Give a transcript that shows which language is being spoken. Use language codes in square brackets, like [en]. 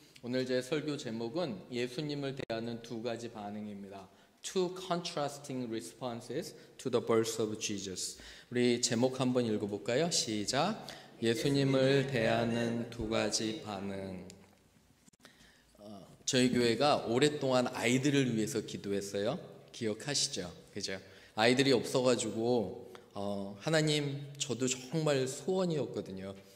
[ko] 오늘 제 설교 제목은 예수님을 대하는 두 가지 반응입니다. [en] Two contrasting responses to the birth of Jesus. [ko] 우리 제목 한번 읽어볼까요? 시작. 예수님을 대하는 두 가지 반응. 저희 교회가 오랫동안 아이들을 위해서 기도했어요. 기억하시죠? 그죠? 아이들이 없어가지고 하나님, 저도 정말 소원이었거든요.